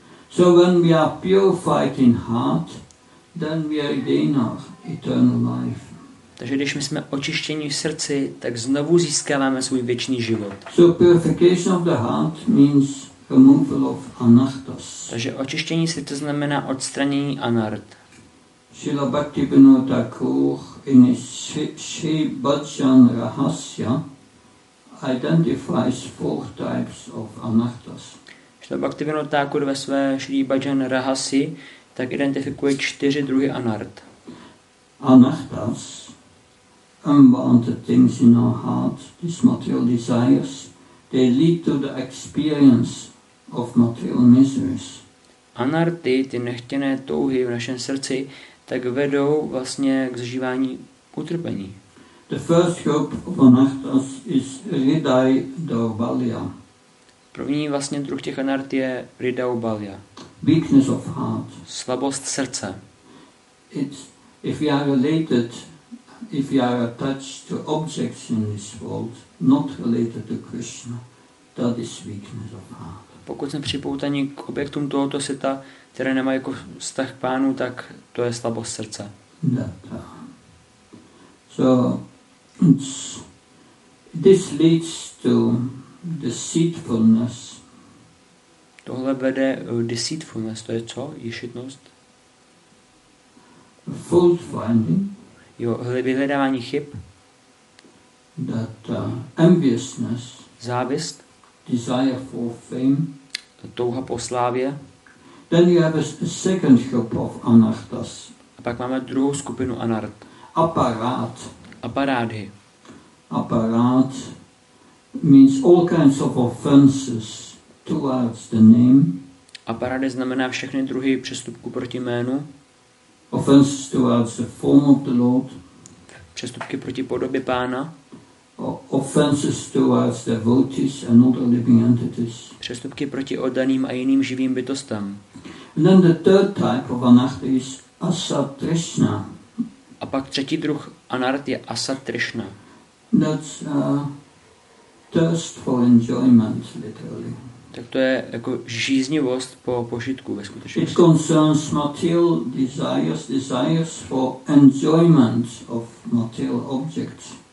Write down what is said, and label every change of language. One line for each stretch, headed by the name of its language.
English: So when we are purified in heart, then we regain our eternal life.
Czech: Takže když my jsme očištění v srdci, tak znovu získáváme svůj věčný život.
English: So purification of the heart means removal of anarthas.
Czech: Takže očištění srdce znamená odstranění anart.
English: Srila Bhaktivinoda Thakur in his Sri Bhajan Rahasya identifies four types of anarthas.
Czech: Srila Bhaktivinoda Thakur ve své Sri Bhajan Rahasi tak identifikuje čtyři druhy anart.
English: Anarthas, unwanted things in our heart, these material desires, they lead to the experience of material miseries.
Czech: Anarty, ty nechtěné touhy v našem srdci, tak vedou vlastně k zažívání utrpení.
English: The first group of anarthas is Ridai Daubalya.
Czech: První vlastně druh těch anart je Ridaubalya.
English: Weakness of heart.
Czech: Slabost srdce.
English: It's if we are related, if we are attached to objects in this world, not related to Krishna, that is weakness of heart.
Czech: Pokud jsme připoutaní k objektům tohoto světa, které nemá jako vztah k Pánu, tak to je slabost srdce.
English: That, so this leads to deceitfulness.
Czech: Tohle vede deceitfulness, to je co? Ješitnost?
English: Fault finding.
Czech: Jo, vyhledávání chyb.
English: That enviousness.
Czech: Závist.
English: Desire for fame.
Czech: Touha po slávě.
English: Then you have a second group of anarthas.
Czech: A pak máme druhou skupinu anart.
English: Aparát.
Czech: Aparády.
English: Aparát means all kinds of offenses towards the name.
Czech: Aparády znamená všechny druhy přestupku proti jménu.
English: Offenses towards the form of the Lord.
Czech: Přestupky proti podobě Pána.
English: O offenses towards devotees and other living entities.
Czech: Přestupky proti oddaným a jiným živým bytostem.
English: And then the third type of anarth is asatrishna.
Czech: A pak třetí druh anarth je asatrishna.
English: That's thirst for enjoyment, literally.
Czech: Tak to je jako žíznivost po požitku ve skutečnosti.
English: It concerns material desires, desires for enjoyment of material objects.